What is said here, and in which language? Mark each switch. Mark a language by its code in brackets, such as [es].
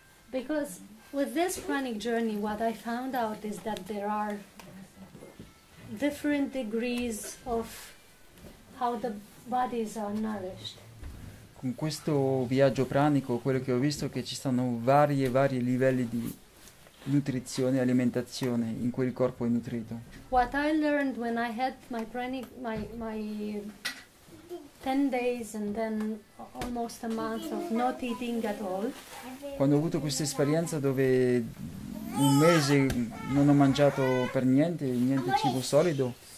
[en] Because with this pranic journey, what I found out is that there are different degrees of how the bodies are nourished. [it] Con questo viaggio pranico, quello che ho visto è che ci sono vari livelli di nutrizione e alimentazione in cui il corpo è nutrito. [en] What I learned when I had my pranic, my 10 days and then almost a month of not eating at all. [it] Quando ho avuto questa esperienza dove un mese non ho mangiato per niente, niente cibo solido.